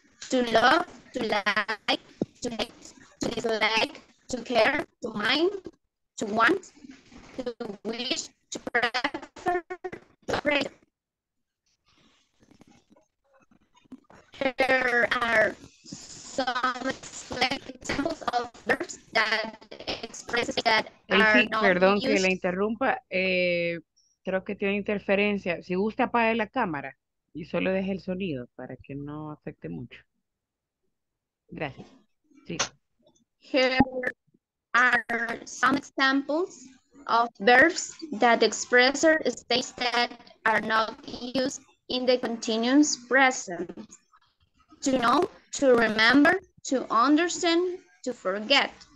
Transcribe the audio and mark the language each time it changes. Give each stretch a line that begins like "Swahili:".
English: To love, to like, to hate, to dislike, to care, to mind, to want, to wish, to prefer, to pray. Here are some examples of verbs that express that
Spanish: sí,
English: are not
Spanish: perdón
English: used.
Spanish: Que la interrumpa. Creo que tiene interferencia. Si gusta, apague la cámara y solo deje el sonido para que no afecte mucho. Gracias. Sí.
English: Here are some examples of verbs that express states that are not used in the continuous present. To know, to remember, to understand, to forget.